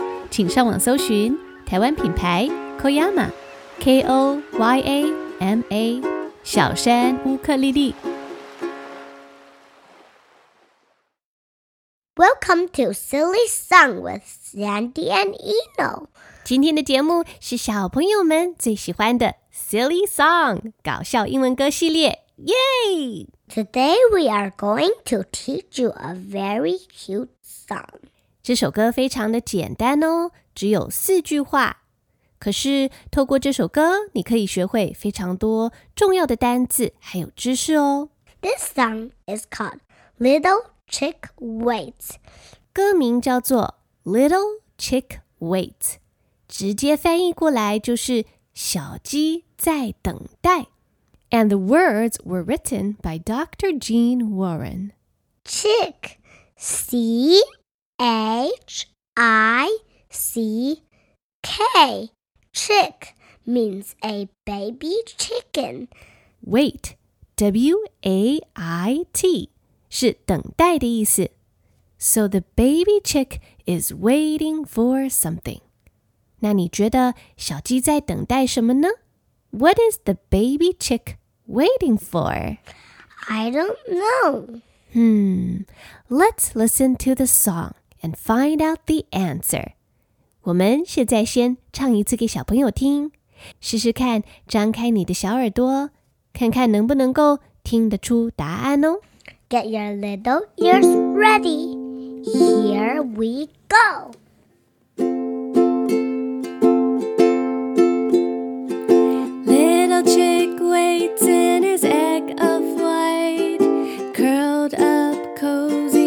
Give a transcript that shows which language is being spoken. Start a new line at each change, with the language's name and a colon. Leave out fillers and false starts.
Chinese: 请上网搜寻台湾品牌 Koyama K-O-Y-A-M-A 小山乌克丽丽。
English: Welcome to Silly Song with Sandy and Eno。
Chinese: 今天的节目是小朋友们最喜欢的 Silly Song 搞笑英文歌系列，耶！
English: Today we are going to teach you a very cute song。
Chinese: 这首歌非常的简单哦，只有四句话，可是透过这首歌你可以学会非常多重要的单字还有知识哦。
English: This song is called Little Chick Waits，
Chinese: 歌名叫做 Little Chick Waits， 直接翻译过来就是小鸡在等待。
English: And the words were written by Dr. Jean Warren。 Chick C H-I-C-K Chick means a baby chicken. Wait, W-A-I-T
Chinese: 是等待的意思。
English: So the baby chick is waiting for something.
Chinese: 那你觉得小鸡在等待什么呢？
English: What is the baby chick waiting for? I don't know. Let's listen to the song and find out the answer.
Chinese: 我们现在先唱一次给小朋友听，试试看张开你的小耳朵，看看能不能够听得出答案哦。
English: Get your little ears ready. Here we go. Little chick waits in his egg of white, curled up cozy.